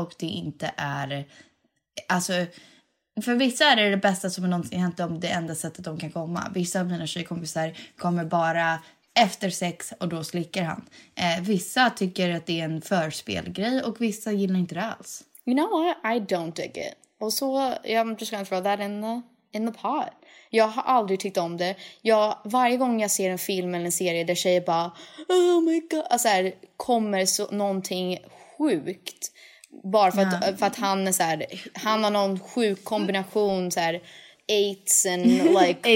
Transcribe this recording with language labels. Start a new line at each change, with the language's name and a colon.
Swedish: Och det inte är, alltså, för vissa är det bästa som någonsin hänt om det enda sättet de kan komma. Vissa av mina tjejkompisar kommer bara efter sex och då slickar han. Vissa tycker att det är en förspelgrej och vissa gillar inte det alls.
English: You know what? I don't dig it.
Swedish: Och så,
English: I'm just gonna throw that in the pot.
Swedish: Jag har aldrig tyckt om det. Varje gång jag ser en film eller en serie där tjejer bara,
English: oh my god,
Swedish: alltså här, kommer så någonting sjukt. Bara för, att han är så här, han har någon sjuk kombination, så här,
English: eights and like